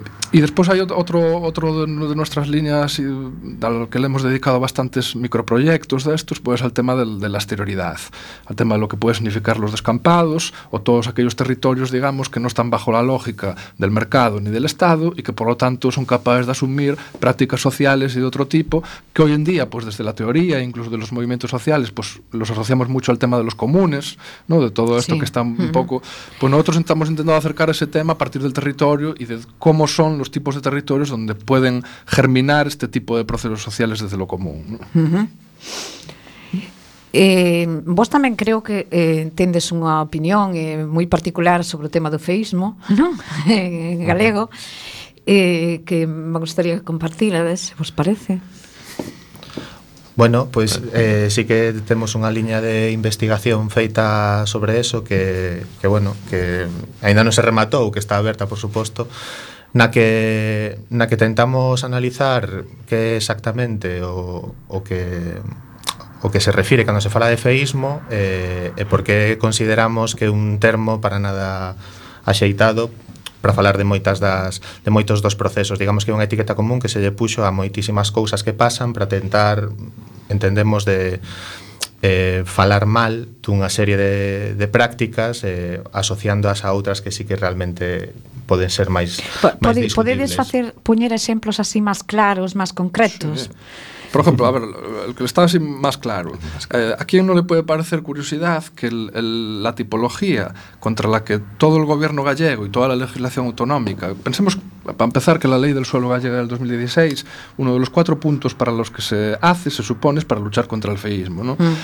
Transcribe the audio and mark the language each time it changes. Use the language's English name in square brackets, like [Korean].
[Spanish] Y después hay otro de nuestras líneas y a lo que le hemos dedicado bastantes microproyectos de estos, pues al tema de la exterioridad, al tema de lo que puede significar los descampados o todos aquellos territorios, digamos, que no están bajo la lógica del mercado ni del Estado y que por lo tanto son capaces de asumir prácticas sociales y de otro tipo que hoy en día, pues desde la teoría e incluso de los movimientos sociales, pues los asociamos mucho al tema de los comunes, ¿no? De todo esto sí. Que está un poco... Pues nosotros estamos intentando acercar ese tema a partir del territorio y de cómo son los tipos de territorios donde pueden germinar este tipo de procesos sociales desde lo común, ¿no? [Galician] Vos tamén creo que tendes unha opinión moi particular sobre o tema do feísmo, ¿no? galego, que me gustaría compartir, a ver se vos parece. Bueno, pues sí que temos unha liña de investigación feita sobre eso que aínda non se rematou, que está aberta, por suposto, na que tentamos analizar que exactamente o que se refire cando se fala de feísmo e por que consideramos que é un termo para nada axeitado para falar de moitos dos procesos. Digamos que é unha etiqueta común que se lle puxo a moitísimas cousas que pasan para tentar, entendemos, de falar mal dunha serie de prácticas asociándoas a outras que sí que realmente poden ser máis discutibles. Podedes poñer exemplos así máis claros, máis concretos? Sí. [Spanish] Por ejemplo, a ver, el que está así más claro. ¿A quién no le puede parecer curiosidad que la tipología contra la que todo el gobierno gallego y toda la legislación autonómica, pensemos, para empezar, que la ley del suelo gallega del 2016, uno de los cuatro puntos para los que se hace, se supone, es para luchar contra el feísmo, ¿no?